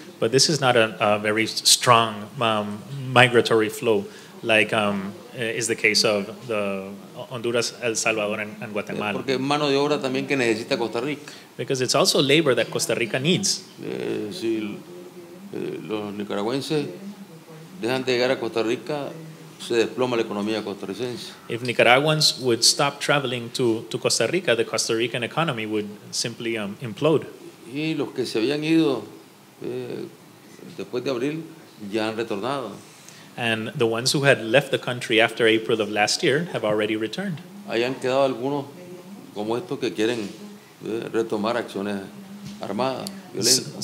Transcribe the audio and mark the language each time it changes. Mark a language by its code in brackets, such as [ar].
[en] But this is not a very strong migratory flow like is the case of the Honduras, El Salvador, and Guatemala. [es] Porque es mano de obra también que necesita Costa Rica. [en] Because it's also labor that Costa Rica needs. [es] Si los nicaragüenses dejan de llegar a Costa Rica, se desploma la economía costarricense. [en] If Nicaraguans would stop traveling to Costa Rica, the Costa Rican economy would simply implode. [es] Y los que se habían ido después de abril ya han retornado. [en] And the ones who had left the country after April of last year have already returned. [es] Hayan quedado algunos como estos que quieren retomar acciones armadas, violentas.